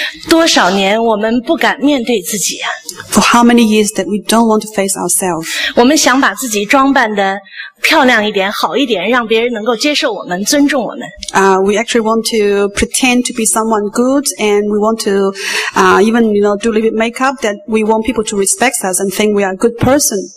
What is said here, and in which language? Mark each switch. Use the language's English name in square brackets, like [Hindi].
[Chinese] 多少年我们不敢面对自己啊。 [English] For how many years that we don't want to face ourselves? [Chinese] 我们想把自己装扮得漂亮一点，好一点，让别人能够接受我们，尊重我们。 [English] We actually want to pretend to be someone good, and we want to, even, you know, do a little bit makeup that we want people to respect us and think we are a good person.